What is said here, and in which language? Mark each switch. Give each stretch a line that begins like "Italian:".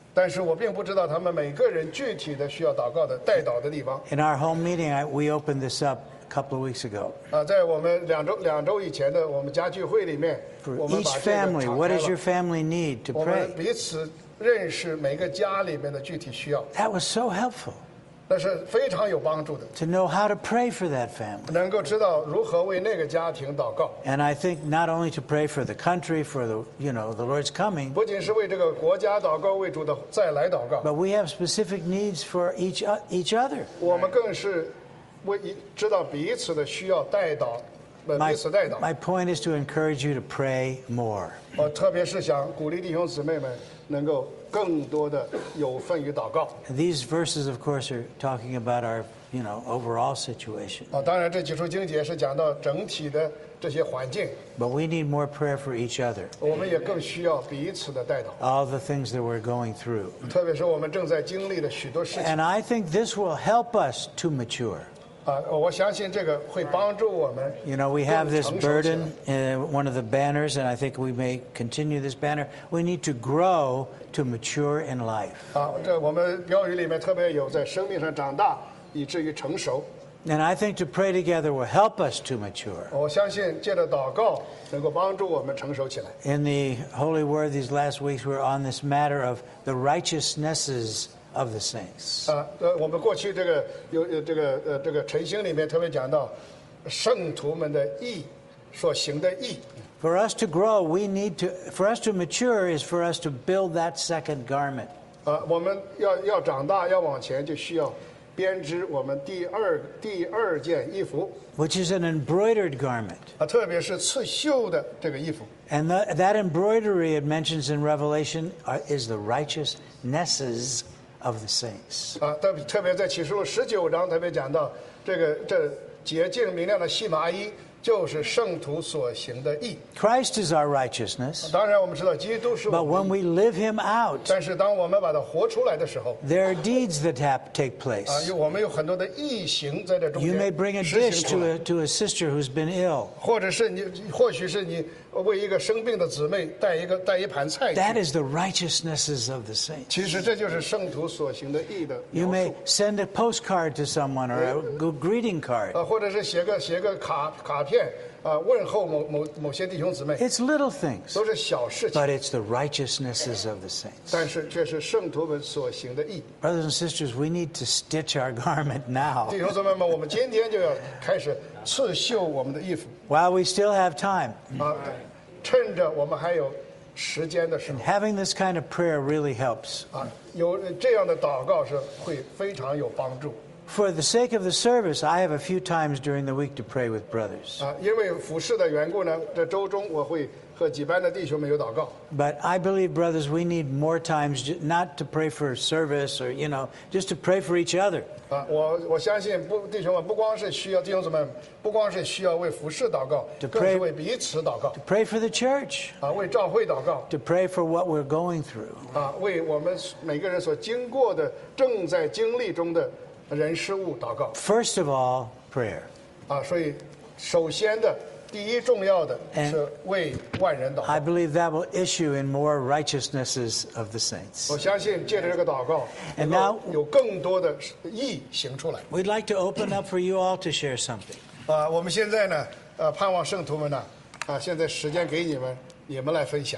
English: In our home meeting, we opened this up a couple of weeks ago. For each family, what does your family need to pray? That was so helpful.
Chinese: 那是非常有帮助的。
English: To know how to pray for that family.
Chinese: 能够知道如何为那个家庭祷告。
English: And I think not only to pray for the country, for the, you know, the Lord's coming.
Chinese: 不仅是为这个国家祷告，为主的再来祷告。
English: But we have specific needs for each other.
Chinese: 我们更是为知道彼此的需要代祷，彼此代祷。
English: My point is to encourage you to pray more.
Chinese: 我特别是想鼓励弟兄姊妹们能够。
English: These verses, of course, are talking about our, you know, overall situation.
Chinese: 当然这几处经节是讲到整体的这些环境。
English: But we need more prayer for each other.
Chinese: 我们也更需要彼此的代祷。
English: All the things that we're going through.
Chinese: 特别是我们正在经历的许多事情。
English: And I think this will help us to mature.
Chinese: 我相信这个会帮助我们。
English: You know, we have this burden in one of the banners, and I think we may continue this banner. We need to grow. To mature in life.
Chinese: 这我们标语里面特别有在生命上长大，以至于成熟。
English: And I think to pray together will help us to mature.
Chinese: 我相信借着祷告能够帮助我们成熟起来。
English: In the Holy Word these last weeks, we're on this matter of the righteousnesses of the saints.
Chinese: 我们过去这个有这个这个晨星里面特别讲到圣徒们的义所行的义。
English: For us to grow, we need to. For us to mature is for us to build that second garment.
Chinese: 我们要长大要往前就需要。编织我们第二件衣服
English: ，which is an embroidered garment，
Chinese: 特别是刺绣的这个衣服。
English: And that embroidery it mentions in Revelation is the righteousnesses of the saints。
Chinese: 特别在启示录十九章特别讲到这洁净明亮的细麻衣就是圣徒所行的义。
English: Christ is our righteousness。
Chinese: 当然我们知道基督是。
English: But when we live Him out，
Chinese: 但是当我们把它活出来的时候
English: ，there are deeds that take place。
Chinese: 我们有很多的义行在这中间。
English: You may bring a dish to a sister who's been ill。
Chinese: 或许是你为一个生病的姊妹带一盘菜。
English: That is the righteousnesses of the saints。
Chinese: 其实这就是圣徒所行的义的描述。
English: You may send a postcard to someone or a greeting card。
Chinese: 或者是写个卡。
English: It's little things, but it's the righteousnesses of the saints. Brothers and sisters, we need to stitch our garment now. While we still have time. And having this kind of prayer really helps. For the sake of the service, I have a few times during the week to pray with brothers.
Chinese: 因为服事的缘故呢，这周中我会和几班的弟兄们有祷告。
English: But I believe, brothers, we need more times not to pray for service or, you know, just to pray for each other.
Chinese: 我相信弟兄们不光是需要弟兄们不光是需要为服事祷告，更是为彼此祷告。
English: To pray for the church.
Chinese: 为教会祷告。
English: To pray for what we're going through.
Chinese: 为我们每个人所经过的正在经历中的。
English: First of all, prayer.
Chinese: 所以首先的第一重要的是为万人祷告。
English: I believe that will issue in more righteousnesses of the saints.
Chinese: 我相信借着这个祷告，能够有更多的义行出来。
English: We'd like to open up for you all to share something.
Chinese: 我们现在呢，盼望圣徒们呢，现在时间给你们来分享。